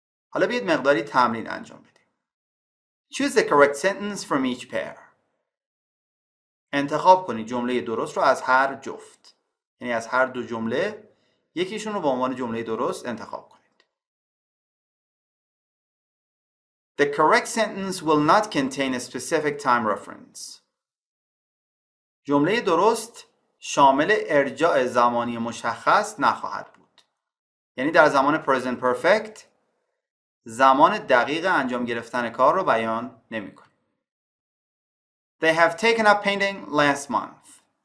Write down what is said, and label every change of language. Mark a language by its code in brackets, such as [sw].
[fa] حالا بیاید مقداری تمرین انجام بدیم. [en] Choose the correct sentence from each pair. [fa] انتخاب کنید جمله درست رو از هر جفت. یعنی از هر دو جمله یکیشون رو به عنوان جمله درست انتخاب کنید. [en] The correct sentence will not contain a specific time reference. [fa] جمله درست شامل ارجاع زمانی مشخص نخواهد بود. یعنی در زمان present perfect زمان دقیق انجام گرفتن کار رو بیان نمی کنه. [en] They have taken up painting last month.